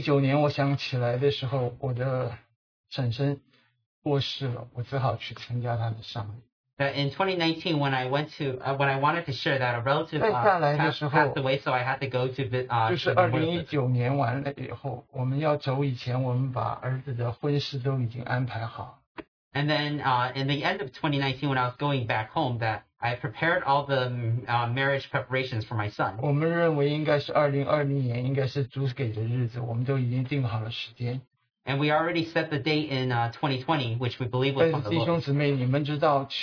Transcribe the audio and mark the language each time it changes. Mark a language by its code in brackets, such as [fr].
[zh] 2019年我想起来的时候, 我的婶婶过世了, 我只好去参加她的丧礼。 [en] That in 2019, when I went to, when I wanted to share that, a relative passed away, so I had to go to visit. [zh] 就是2019年完了以后, 我们要走以前, 我们把儿子的婚事都已经安排好。 [en] And then in the end of 2019, when I was going back home, that I prepared all the marriage preparations for my son. And we already set the date in 2020, which we believe was from the Lord.